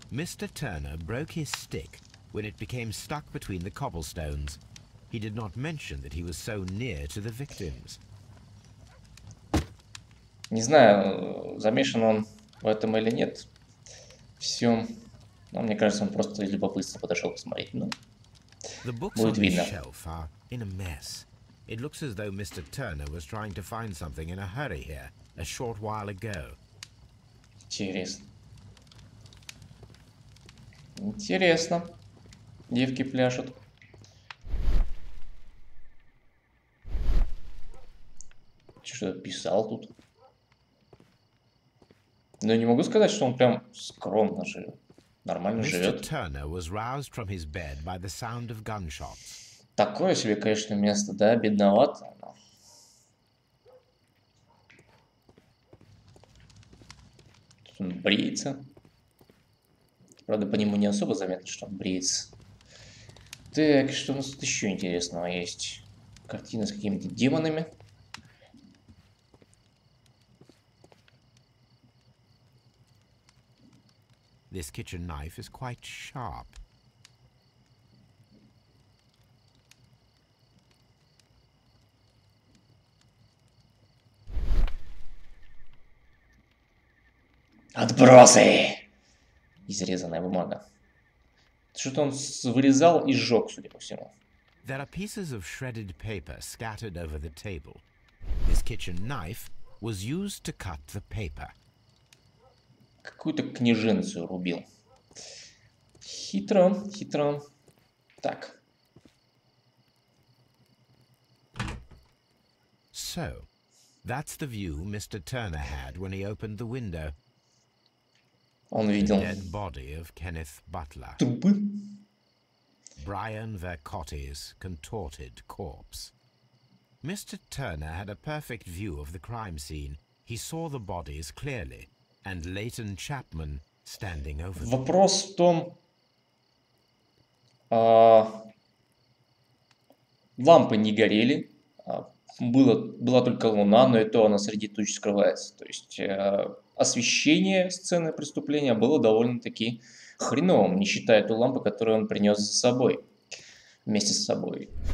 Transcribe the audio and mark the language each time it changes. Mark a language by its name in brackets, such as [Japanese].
[Russian] Мистер Тернер брал свой стик, когда он стал между кобблстонами. [English] He did not mention that he was so near to the victims. [Russian] Не знаю, замешан он в этом или нет. Все. Но мне кажется, он просто любопытно подошел посмотреть. Ну, [English] the books [Russian] будет видно. [English] On the shelf are in a mess. It looks as though Mr. Turner was trying to find something in a hurry here a short while ago. [Russian] Интересно. Интересно. Девки пляшут. Что-то писал тут. Но не могу сказать, что он прям скромно живет. Нормально живет. [English] Mr. Turner was roused from his bed by the sound of gunshots. [Russian] Такое себе, конечно, место, да, бедновато. Но... Тут он бреется. Правда, по нему не особо заметно, что он бреется. Так, что у нас тут еще интересного есть? Картина с какими-то демонами. [English] This kitchen knife is quite sharp. [Russian] Отбросы! Изрезанная бумага. Что-то он вырезал и сжег, судя по всему. [English] There are pieces of shredded paper scattered over the table. This kitchen knife was used to cut the paper. [Russian] Какую-то княженцу рубил. Хитро, хитро. Так. [English] So, that's the view Mr. Turner had when he opened the window. [Russian] Он видел [English] dead body of Kenneth Butler. [Russian] Трупы. [English] Brian Vercotti's contorted corpse. Mr. Turner had a perfect view of the crime scene. He saw the bodies clearly. And Leighton Chapman standing over. [Russian] Вопрос в том, лампы не горели, была только луна, но и то она среди туч скрывается. То есть освещение сцены преступления было довольно-таки хреновым, не считая ту лампу, которую он принес с собой, вместе с собой.